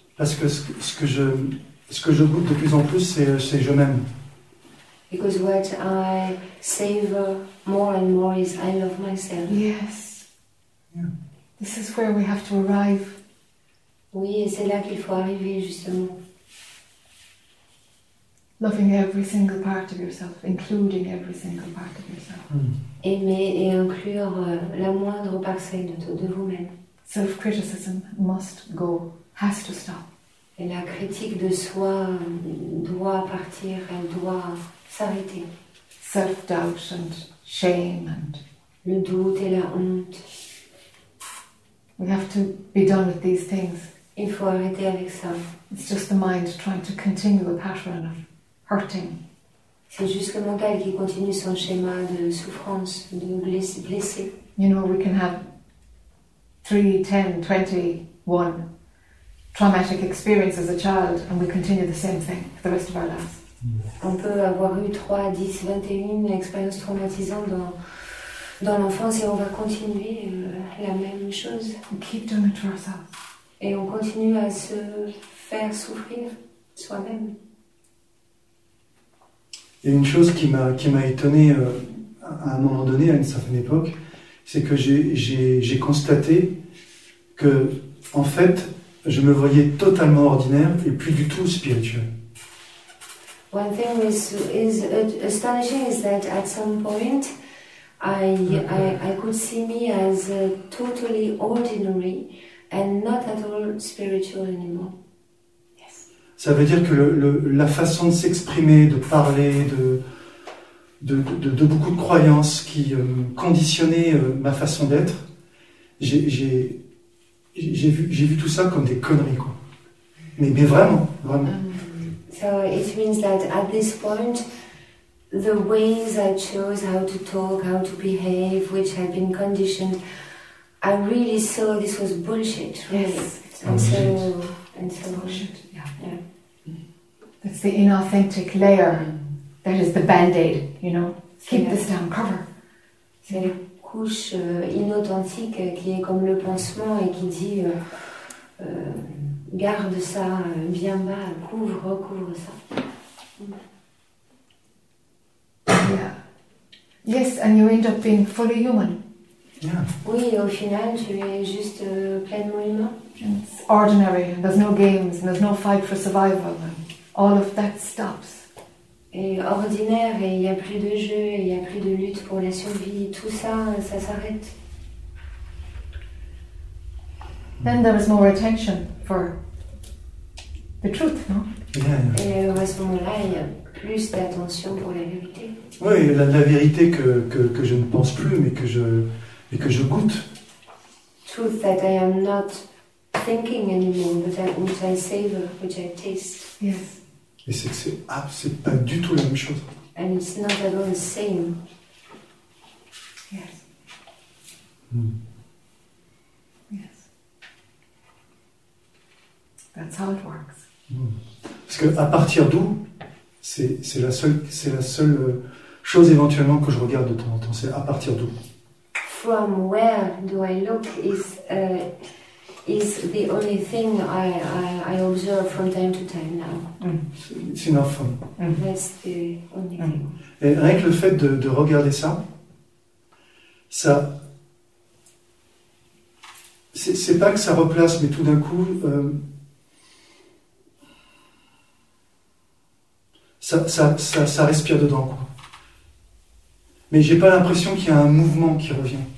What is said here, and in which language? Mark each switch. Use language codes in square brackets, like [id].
[fr] Parce que ce que je goûte de plus en plus, c'est je m'aime. [en] Because what I savor more and more is I love myself. Yes. Yeah. This is where we have to arrive. [fr] Oui, et c'est là qu'il faut arriver, justement. [en] Loving every single part of yourself, including every single part of yourself. [fr] Aimer et inclure la moindre parcelle de vous-même. [en] Self-criticism must go, has to stop. [fr] Et la critique de soi doit partir, elle doit s'arrêter. [en] Self-doubt and shame and... [fr] Le doute et la honte. [en] We have to be done with these things. [fr] Il faut arrêter avec ça. [en] It's just the mind trying to continue a pattern of hurting. [fr] C'est juste le mental qui continue son schéma de souffrance, de blessé. [en] You know, we can have 3, 10, 20, 1 traumatic experiences as a child and we continue the same thing for the rest of our lives. [fr] On peut avoir eu 3, 10, 21 expériences traumatisantes dans l'enfance et on va continuer la même chose. [en] We keep doing it to ourselves. [fr] Et on continue à se faire souffrir soi-même. Et une chose qui m'a étonné à un moment donné, à une certaine époque, c'est que j'ai constaté que, en fait, je me voyais totalement ordinaire et plus du tout spirituel. [en] One thing is astonishing is that at some point I could see me as totally ordinary and not at all spiritual anymore. Yes. [fr] Ça veut dire que la façon de s'exprimer, de parler, de beaucoup de croyances qui conditionnaient ma façon d'être, j'ai vu tout ça comme des conneries, quoi. Mais vraiment, vraiment. [en] So it means that at this point, the ways I chose how to talk, how to behave, which had been conditioned, I really saw this was bullshit, really. Yes. And so bullshit. Yeah. That's the inauthentic layer that is the band-aid, you know. Keep this down, cover. [fr] C'est la couche inauthentique qui est comme le pansement et qui dit... Garde ça bien bas, recouvre ça. [en] Yeah. Yes, and you end up being fully human. Yeah. [fr] Oui, au final, tu es juste pleinement humain. [en] It's ordinary, and there's no games, and there's no fight for survival, and all of that stops. [fr] Et ordinaire, et il n'y a plus de jeu, il n'y a plus de lutte pour la survie, tout ça, ça s'arrête. [en] Then there was more attention for the truth, no? Yeah. [fr] Et à ce moment-là, il y a plus d'attention pour la vérité. Oui, la vérité que je ne pense plus, mais que je goûte. [en] Truth that I am not thinking anymore, but that which I savor, which I taste. Yes. [fr] Et c'est que c'est pas du tout la même chose. [en] And it's not at all the same. Yes. That's how it works. [fr] Parce que à partir d'où, c'est la seule chose éventuellement que je regarde de temps en temps. C'est à partir d'où. [en] From where do I look is the only thing I observe from time to time now. C'est enough for me. That's the only thing. [fr] Et rien que le fait de regarder ça, ça. C'est pas que ça replace, mais tout d'un coup. Ça respire dedans, quoi. Mais j'ai pas l'impression qu'il y a un mouvement qui revient.